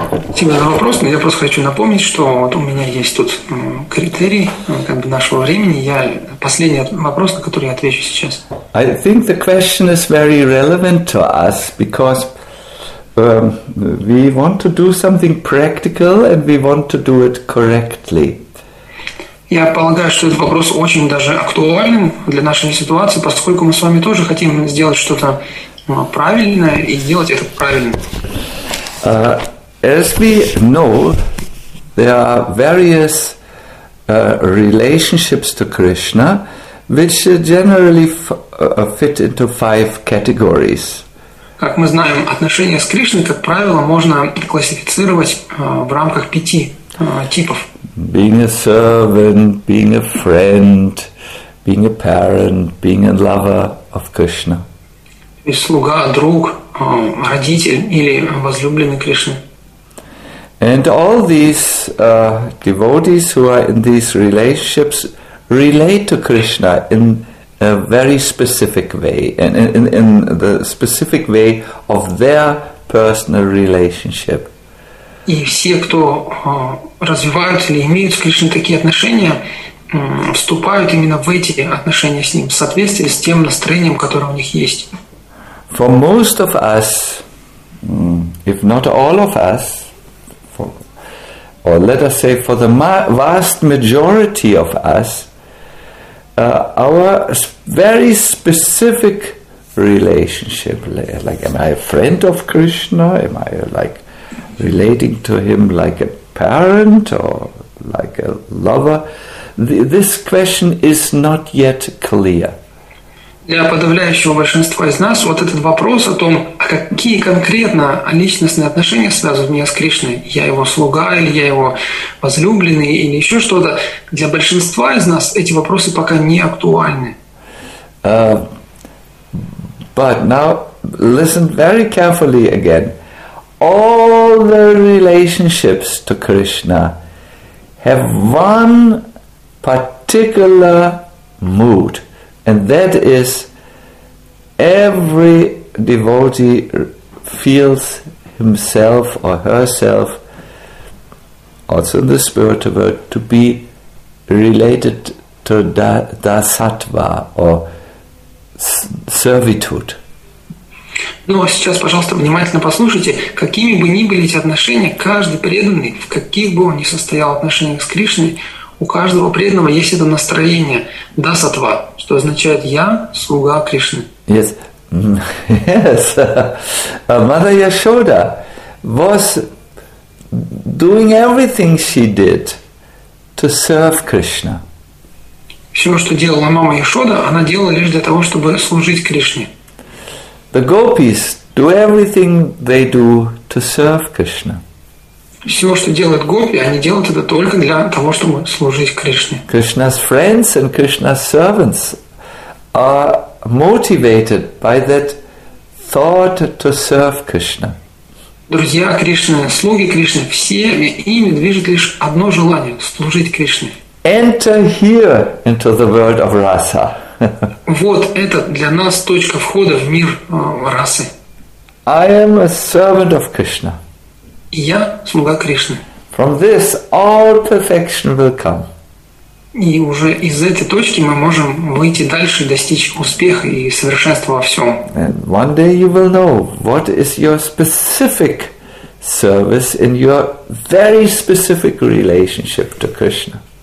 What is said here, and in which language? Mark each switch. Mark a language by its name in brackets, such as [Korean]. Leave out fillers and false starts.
[Russian] Спасибо за вопрос, но я просто хочу напомнить, что вот у меня есть тут критерий как бы нашего времени. Я последний вопрос, на который я отвечу сейчас. [English] I think the question is very relevant to us because we want to do something practical and we want to do it correctly. [Russian] Я полагаю, что этот вопрос очень даже актуальным для нашей ситуации, поскольку мы с вами тоже хотим сделать что-то правильное и делать это правильно. [English] As we know, there are various relationships to Krishna, which generally fit into five categories. [Russian] Как мы знаем, отношения с Кришной, как правило, можно классифицировать в рамках пяти типов. [English] Being a servant, being a friend, being a parent, being a lover of Krishna. [Russian] Слуга, друг, родитель или возлюбленный Кришны. [English] And all these devotees who are in these relationships relate to Krishna in a very specific way, and in the specific way of their personal relationship. [Russian] И все, кто развивают или имеют с Кришной такие отношения, вступают именно в эти отношения с Ним в соответствии с тем настроением, которое у них есть. [English] For most of us, if not all of us, or let us say for the vast majority of us, our very specific relationship, like am I a friend of Krishna, am I like relating to him like a parent or like a lover, this question is not yet clear. [Russian] Для подавляющего большинства из нас вот этот вопрос о том, а какие конкретно личностные отношения связывают меня с Кришной, я его слуга или я его возлюбленный или еще что-то, для большинства из нас эти вопросы пока не актуальны. [English] But now listen very carefully again. All their relationships to Krishna have one particular mood, and that is every devotee feels himself or herself, also in the spiritual world, to be related to dasattva or servitude. [Russian] Ну, а сейчас, пожалуйста, внимательно послушайте, какими бы ни были эти отношения, каждый преданный, в каких бы он ни состоял отношениях с Кришной, у каждого преданного есть это настроение дасатва, что означает «я слуга Кришны». [English] Yes, yes. Mother Yashoda was doing everything she did to serve Krishna. [Russian] Все, что делала мама Яшода, она делала лишь для того, чтобы служить Кришне. [English] The gopis do everything they do to serve Krishna. [Russian] Всё, что делают гопи, они делают это только для того, чтобы служить Кришне. [English] Krishna's friends and Krishna's servants are motivated by that thought to serve Krishna. [Russian] Друзья Кришны, слуги Кришны, все ими движет лишь одно желание – служить Кришне. [English] Enter here into the world of rasa. [Russian] Вот это для нас точка входа в мир расы. [English] I am a servant of Krishna. [Russian] Я слуга Кришны. [English] From this all perfection will come. [Russian] И уже из этой точки мы можем выйти дальше, достичь успеха и совершенства во всем. [English] And one day you will know what is your specific service in your very specific relationship to Krishna.